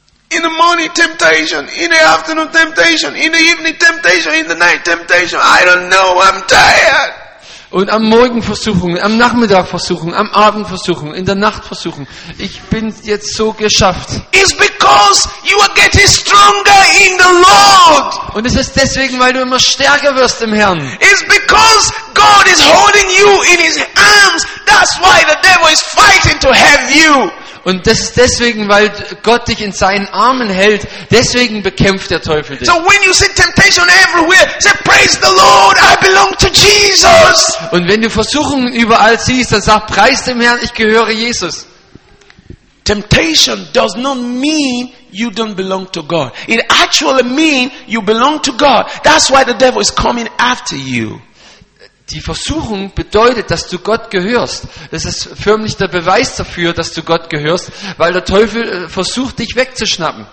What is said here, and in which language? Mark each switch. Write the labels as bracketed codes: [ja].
[en] In the morning temptation, in the afternoon temptation, in the evening temptation, in the night temptation. I don't know, I'm tired. [de] Und am Morgen Versuchungen, am Nachmittag Versuchungen, am Abend Versuchungen, in der Nacht Versuchungen. Ich bin jetzt so geschafft. [en] It's because you are getting stronger in the Lord. [de] Und es ist deswegen, weil du immer stärker wirst im Herrn. [en] It's because God is holding you in his arms. That's why the devil is fighting to have you. [de] Und das ist deswegen, weil Gott dich in seinen Armen hält, deswegen bekämpft der Teufel dich. [en] So when you see temptation everywhere, say praise the Lord, I belong to Jesus. [de] Und wenn du Versuchungen überall siehst, dann sag preis dem Herrn, ich gehöre Jesus. [en] Temptation does not mean you don't belong to God. It actually means you belong to God. That's why the devil is coming after you. [de] Die Versuchung bedeutet, dass du Gott gehörst. Das ist förmlich der Beweis dafür, dass du Gott gehörst, weil der Teufel versucht, dich wegzuschnappen.